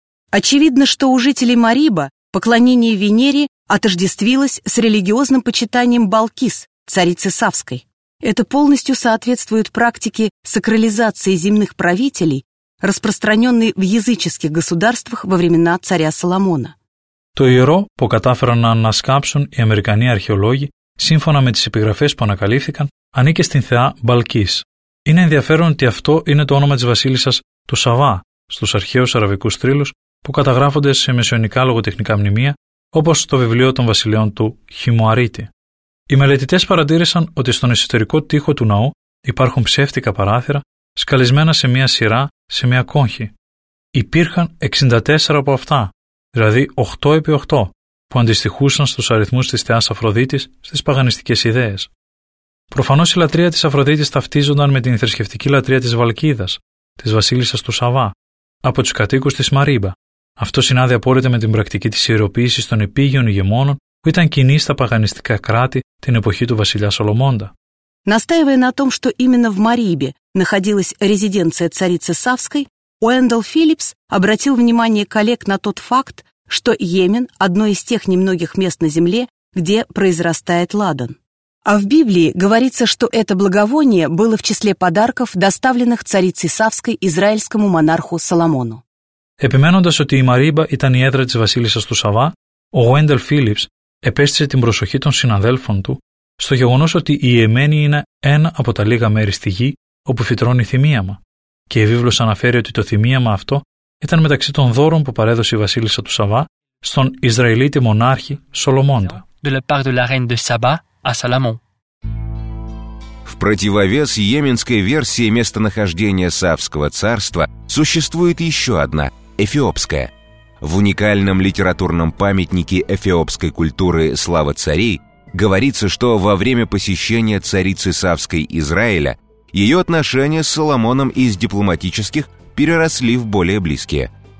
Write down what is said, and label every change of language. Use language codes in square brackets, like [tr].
[ru] Очевидно, что у жителей Мариба поклонение Венере отождествилось с религиозным почитанием Балкис, царицы Савской. Это полностью соответствует практике сакрализации земных правителей, распространенной в языческих государствах во времена царя Соломона. [el] То ерё, по катаферан на наскапсун и американи археологи, σύμφωνα με τις επιγραφές που ανακαλύφθηκαν, ανήκε στην θεά Μπαλκής. Είναι ενδιαφέρον ότι αυτό είναι το όνομα της βασίλισσας του Σαβά στους αρχαίους αραβικούς θρύλους που καταγράφονται σε μεσαιωνικά λογοτεχνικά μνημεία, όπως το βιβλίο των βασιλείων του Χιμουαρίτη. Οι μελετητές παρατήρησαν ότι στον εσωτερικό τοίχο του ναού υπάρχουν ψεύτικα παράθυρα σκαλισμένα σε μία σειρά σε μία κόγχη. Υπήρχαν 64 από αυτά, δηλαδή 8 επί 8. Που αντιστοιχούσαν στους αριθμούς της θεάς Αφροδίτης στις παγανιστικές ιδέες. Προφανώς η λατρεία της Αφροδίτης ταυτίζονταν με την θρησκευτική λατρεία της Βαλκίδας, της βασίλισσας του Σαβά, από τους κατοίκους της Μαρίμπα. Αυτό συνάδει απόλυτα με την πρακτική της ιεροποίησης των επίγειων ηγεμόνων που ήταν κοινή στα παγανιστικά κράτη την εποχή του βασιλιά Σολομώντα. [ru] Настаивая на том, что именно в Марибе находилась резиденция царицы Савской, Уэндалл Филлипс обратил внимание коллег на тот факт, что Йемен – одно из тех немногих мест на Земле, где произрастает ладан. А в Библии говорится, что это благовоние было в числе подарков, доставленных царицей Савской израильскому монарху Соломону. [el] Επιμένοντας ότι η Μαρίμπα ήταν η έδρα της βασίλισσας του Σαβά, ο Wendell Phillips επέστησε την προσοχή των συναδέλφων του στο γεγονός ότι η Ιεμένη είναι ένα από τα λίγα μέρη στη γη όπου φυτρώνει θυμίαμα. Και η βίβλος αναφέρει ότι το θυμίαμα αυτό ήταν μεταξύ των δώρων που παρέδωσε η βασίλισσα του Σαβά στον Ισραηλίτη μονάρχη Σολομώντα. [fr] De la part de la reine de Saba à Salomon. [ru] В противовес йеменской версии местонахождения Савского царства существует еще одна, эфиопская. В уникальном литературном памятнике эфиопской культуры «Слава царей» говорится, что во время посещения царицы Савской Израиля ее отношения с Соломоном из дипломатических переросли в более близкие.